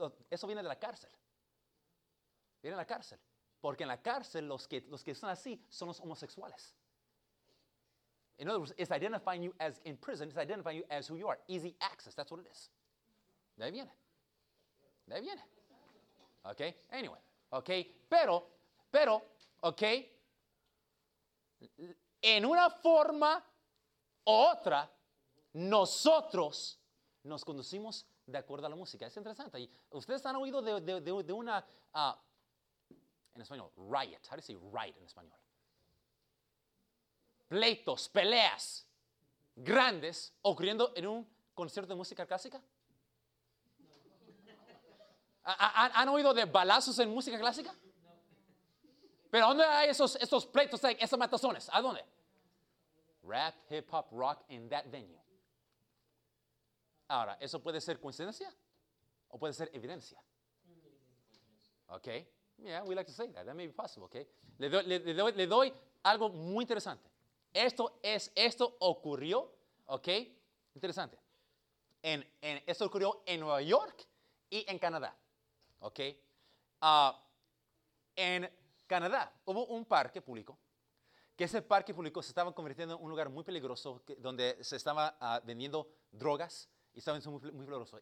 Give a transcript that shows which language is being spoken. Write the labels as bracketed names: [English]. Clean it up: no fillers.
[Spanish] Eso viene de la cárcel. Viene de la cárcel. Porque en la cárcel los que son así son los homosexuales. [English] In other words, it's identifying you as in prison, it's identifying you as who you are. Easy access, that's what it is. [Spanish] De ahí viene. De ahí viene. Okay, [English] anyway. [Spanish] Ok, pero, ok, en una forma u otra, nosotros nos conducimos de acuerdo a la música. Es interesante. Ustedes han oído de una, en español, riot. [English] How do you say riot [Spanish] en español? Pleitos, peleas grandes ocurriendo en un concierto de música clásica. ¿Han oído de balazos en música clásica? ¿Pero dónde hay esos pleitos, esas matazones? ¿A dónde? [English] Rap, hip hop, rock in that venue. [Spanish] Ahora, ¿eso puede ser coincidencia? ¿O puede ser evidencia? Ok. [English] Yeah, we like to say that. That may be possible, ok. [Spanish] Le doy algo muy interesante. Esto ocurrió, ok. Interesante. Esto ocurrió en Nueva York y en Canadá. Ok, en Canadá hubo un parque público, que ese parque público se estaba convirtiendo en un lugar muy peligroso, donde se estaba vendiendo drogas y estaba siendo muy, muy peligroso.